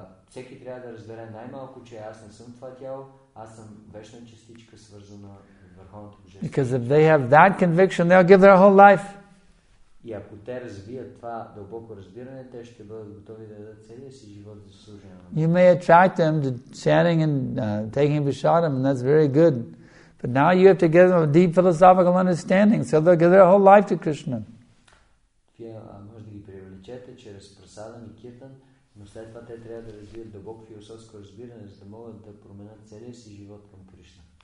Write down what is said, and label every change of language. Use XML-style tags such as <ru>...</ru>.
<bg>Всеки трябва да разбере най-малко, че аз не съм това тяло, аз съм вечна частичка, свързана с върховното божество.</bg> <en>Because if they have that conviction, they'll give their whole life.</en> <bg>И ако те развият това дълбоко разбиране, те ще бъдат готови да дадат целия си живот за служение.</bg> <en>You may attract them to chanting and taking bhishadam, and that's very good. But now you have to give them a deep philosophical understanding, so they'll give their whole life to Krishna.</en> <bg>Вие може да ги привлечете чрез прасадам и киртан, но след това те трябва да развият дълбоко философско разбиране, за да могат да променят целия си живот към Кришна.</bg>